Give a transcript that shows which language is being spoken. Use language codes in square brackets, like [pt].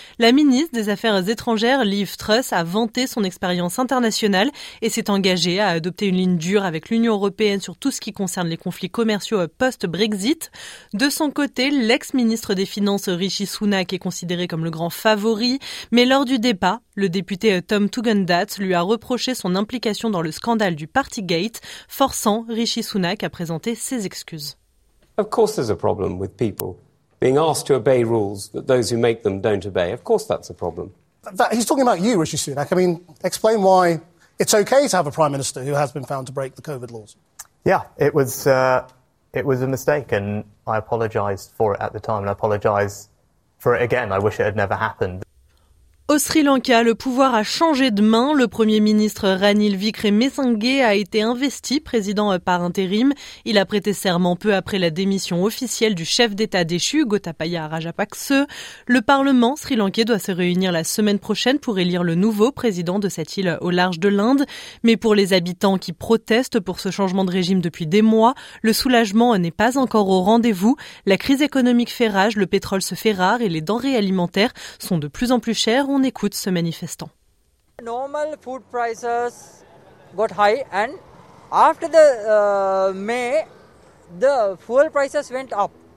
[fr] La ministre des Affaires étrangères, Liz Truss, a vanté son expérience internationale et s'est engagée à adopter une ligne dure avec l'Union européenne sur tout ce qui concerne les conflits commerciaux post-Brexit. De son côté, l'ex-ministre des Finances, Rishi Sunak, est considéré comme le grand favori. Mais lors du débat, le député Tom Tugendhat lui a reproché son implication dans le scandale du Partygate, forçant Rishi Sunak à présenter ses excuses. [en] Of course there's a problem with people being asked to obey rules that those who make them don't obey. Of course that's a problem. He's talking about you, Rishi Sunak. I mean, explain why it's okay to have a prime minister who has been found to break the COVID laws. Yeah, it was a mistake and I apologized for it at the time and I apologize for it again. I wish it had never happened. [fr] Au Sri Lanka, le pouvoir a changé de main. Le Premier ministre Ranil Wickremesinghe a été investi président par intérim. Il a prêté serment peu après la démission officielle du chef d'État déchu, Gotabaya Rajapakse. Le Parlement sri-lankais doit se réunir la semaine prochaine pour élire le nouveau président de cette île au large de l'Inde. Mais pour les habitants qui protestent pour ce changement de régime depuis des mois, le soulagement n'est pas encore au rendez-vous. La crise économique fait rage, le pétrole se fait rare et les denrées alimentaires sont de plus en plus chères. On écoute ce manifestant. [en] Normal food prices got high and after the May, the fuel prices went up.